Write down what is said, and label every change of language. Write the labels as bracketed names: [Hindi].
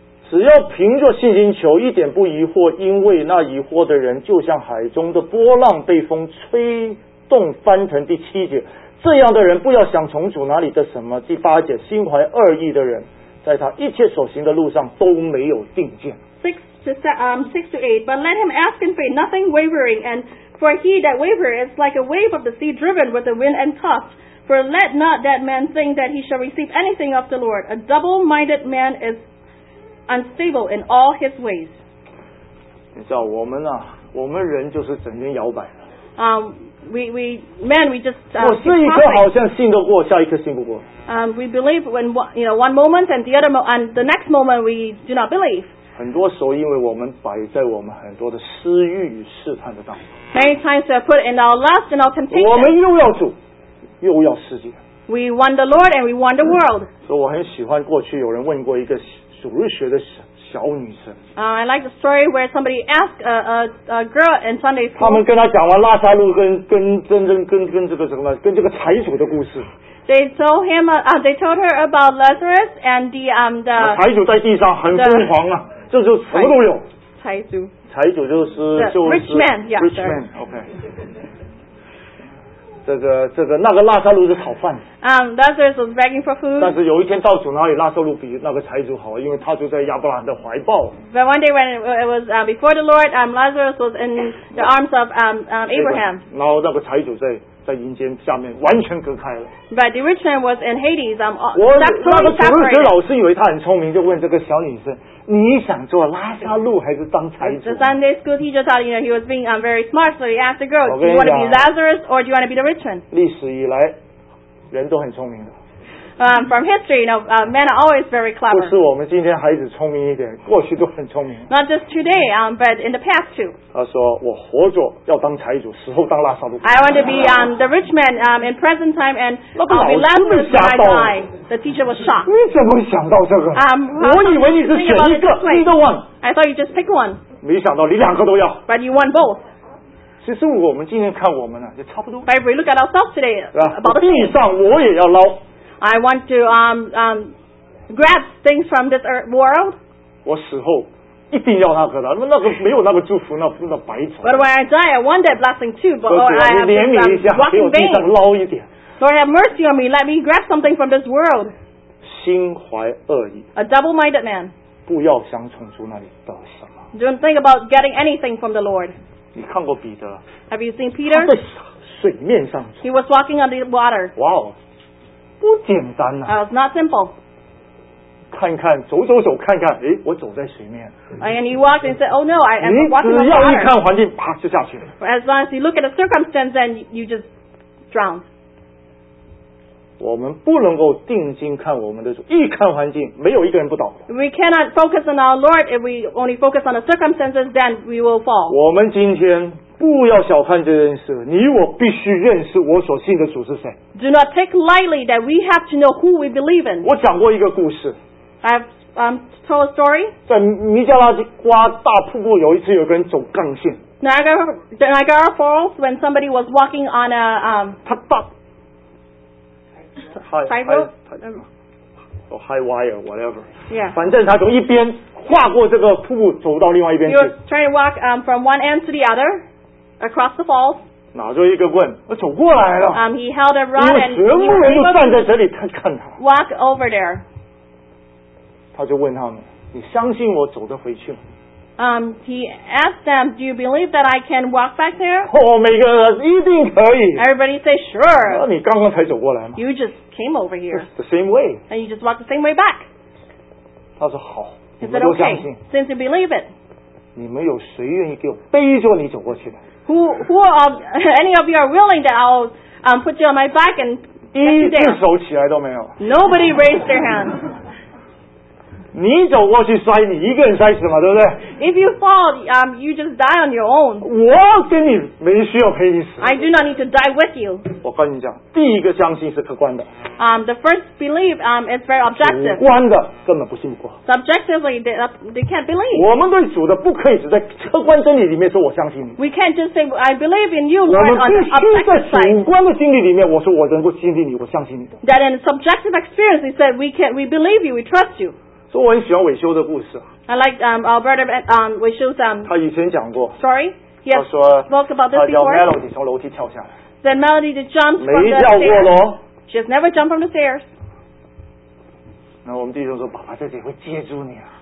[Chinese] 只要凭着信心求，一点不疑惑，因为那疑惑的人就像海中的波浪被风吹动翻腾。第七节，这样的人不要想从主哪里得什么。第八节，心怀二意的人，在他一切所行的路上都没有定见。 [English] 6 to 8, but let him ask in faith, nothing wavering, and for he that wavereth is like a wave of the sea driven with the wind and tossed. For let not that man think that he shall receive anything of the Lord. A double-minded man is unstable in all his ways. [Chinese] 你知道我们啊，我们人就是整天摇摆的。我这一颗好像信得过，下一颗信不过。 [English] We believe when you know one moment and the other and the next moment we do not believe. [Chinese] 很多时候，因为我们摆在我们很多的私欲与试探的当中。 [English] Many times we are put in our lust and our temptation. [Chinese] 我们又要主，又要世界。 [English] We want the Lord and we want the world. [Chinese] 所以我很喜欢过去有人问过一个主日学的小女生。 [English] I like the story where somebody asked a girl in Sunday school. [Chinese] 他们跟她讲完拉撒路跟这个什么跟这个财主的故事。 [English] They told him, they told her about Lazarus and the, [Chinese] 财主在地上很疯狂啊，这就什么都有。财主。财主就是 [English] rich man, yeah, rich man, okay. [Chinese] 这个那个拉撒路是讨饭。 [English] Lazarus was begging for food. [Chinese] 但是有一天到主那里，拉撒路比那个财主好，因为他就在亚伯拉罕的怀抱。 [English] But one day when it was before the Lord, Lazarus was in the arms of Abraham. [Chinese] 然后那个财主在阴间下面完全隔开了。 [English] But the rich man was in Hades. [Chinese] 我那个主日学老师以为他很聪明，就问这个小女生：“你想做拉撒路还是当财主？” [English] The Sunday school teacher thought, you know, he was being very smart, so he asked the girl, "Do you want to be Lazarus or do you want to be the rich man?" [Chinese] 历史以来，人都很聪明的。 [English] From history, you know, men are always very clever. [Chinese] 不是我们今天孩子聪明一点，过去都很聪明。 [English] Not just today, but in the past too. [Chinese] 他说：“我活着要当财主，死后当拉撒路。” [English] I want to be the rich man in present time and I'll be Lazarus when I die. The teacher was shocked. [Chinese] 你怎么想到这个？我以为你是选一个，你的 [English] one. I thought you just pick one. [Chinese] 没想到你两个都要。 [English] But you want both. [Chinese] 其实我们今天看我们呢，就差不多。 [English] But if we look at ourselves today, about the same. [Chinese] 地上我也要捞。 [English] I want to grab things from this earth world. [Chinese] 我死后一定要那个的，那个没有那个祝福，那白走。 [English] But when I die, I want that blessing too. But Lord, I have to walk in vain. [Chinese] 地上捞一点。 [English] Lord, have mercy on me. Let me grab something from this world. [Chinese] 心怀恶意。 [English] A double-minded man. [Chinese] 不要想从主那里得什么。 [English] Don't think about getting anything from the Lord. [Chinese] 你看过彼得？ [English] Have you seen Peter? [Chinese] 他在水面上。 [English] He was walking on the water. [Chinese] Wow. 不简单啊 [English] It's not simple. [Chinese] 看看走走走看看诶我走在水面。 [English] And you walked and said, oh no, I am walking on water. [Chinese] 你只要一看环境啪就下去了。 [English] As long as you look at the circumstance, then you just drown. [Chinese] 我们不能够定睛看我们的主一看环境没有一个人不倒。 [English] We cannot focus on our Lord if we only focus on the circumstances, then we will fall. [Chinese] 我们今天不要小看这件事，你我必须认识我所信的主是谁。 [English] Do not take lightly that we have to know who we believe in. [Chinese] 我讲过一个故事。 [English] I've told a story. [Chinese] 在尼加拉瓜大瀑布，有一次有个人走杠线。 [English] Niagara Falls when somebody was walking on a high wire whatever. Yeah. [Chinese] 反正他从一边跨过这个瀑布走到另外一边去。 [English] You were trying to walk from one end to the other. Across the falls. [Chinese] 拿着一个棍，我走过来了。 [English] He held a rod and he came over. [Chinese] 因为全部人都站在这里看他。 [English] Walk over there. [Chinese] 他就问他们：“你相信我走得回去吗？” [English] He asked them, "Do you believe that I can walk back there?" [Chinese] 哦，每个人一定可以。 [English] Everybody say sure. [Chinese] 那你刚刚才走过来吗 [English] ？You just came over here. The same way. And you just walk the same way back. [Chinese] 他说好。 [English] Is it okay? Since you believe it. [Chinese] 你们有谁愿意给我背着你走过去的？ [English] Who of any of you are willing that I'll put you on my back and get you down? [Chinese] 一只手起来都没有。 [English] Nobody raised their hand. [Chinese] 你走过去摔，你一个人摔死嘛，对不对 [English] ？If you fall, you just die on your own. [Chinese] 我跟你没需要陪你死。 [English] I do not need to die with you. [Chinese] 我跟你讲，第一个相信是客观的。 [English] The first belief is very objective. [Chinese] 主观的根本不信不过。 [English] Subjectively, they can't believe. [Chinese] 我们对主的不可以只在客观真理里面说我相信你。 [English] We can't just say I believe in you, Lord, on objective sight. [Chinese] 我们必须在主观的经历里面，我说我能够经历你，我相信你。 [English] That in subjective experience, he said we believe you, we trust you. [Chinese] 所以我很喜欢伟修的故事。 [English] I like Alberta伟修 [Chinese] 他以前讲过。 [English] Sorry, he has spoke about this before. [Chinese] 他叫 Melody 从楼梯跳下来。 [English] Then Melody jumped from the stairs. [Chinese] 没跳过咯。 [English] She has never jumped from the stairs. [Chinese] 那我们弟兄说，爸爸在这里会接住你啊。